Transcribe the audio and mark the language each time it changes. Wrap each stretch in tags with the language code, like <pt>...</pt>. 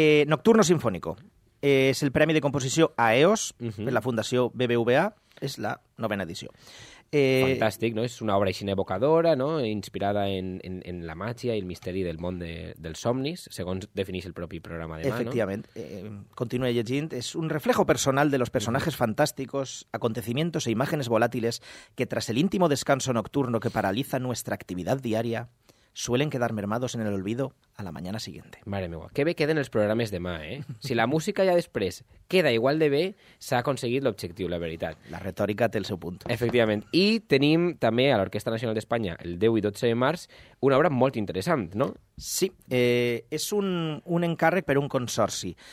<ca>Nocturno Sinfónico. És el Premi de Composició a EOS, uh-huh. Per la Fundació BBVA. És la novena edició. Fantàstic, no? És una obra així evocadora, no?, inspirada en la màgia i el misteri del món dels somnis, segons defineix el propi programa demà. Efectivament. No? Continua llegint.</ca> <es>És un reflejo personal de los personajes fantásticos, acontecimientos e imágenes volátiles que, tras el íntimo descanso nocturno que paraliza nuestra actividad diaria, suelen quedar mermados en el olvido a la mañana siguiente.</es> <ca>Madre mía, qué bé queden els programes demà, eh? Si la música ja després queda igual de bé, s'ha aconseguit l'objectiu, la veritat. La retòrica té el seu punt. Efectivament. I tenim també a l'Orquestra Nacional d'Espanya, el 10 i 12 de març, una obra molt interessant, no? Sí, és un encàrrec per un consorci.</ca>